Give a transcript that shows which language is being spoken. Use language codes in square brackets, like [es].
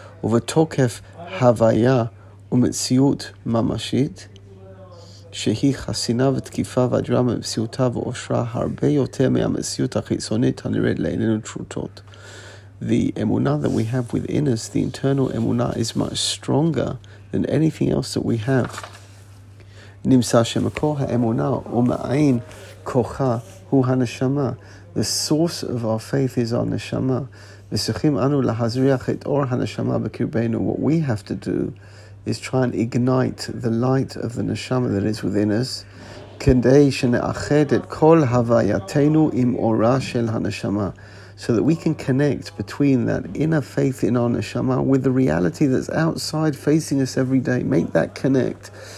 [he] U'v'tokef havaya u'metziut mamashit שהיא חסינה ותקיפה ואדירה ממציאותה ואושרה הרבה יותר מהמציאות החיצונית הנראית לעינינו תשוטות. [en] The emunah that we have within us, the internal emunah, is much stronger than anything else that we have. [he] נמצא שמקור האמונה ומעין כוחה הוא הנשמה. [en] The source of our faith is our neshama. [he] וצריכים אנו להזריח את אור הנשמה בקרבנו. [en] What we have to do is try and ignite the light of the neshama that is within us, [he] kedei shene'ached et kol havayatenu im ora shel haneshama, [en] so that we can connect between that inner faith in our neshama with the reality that's outside facing us every day. Make that connect.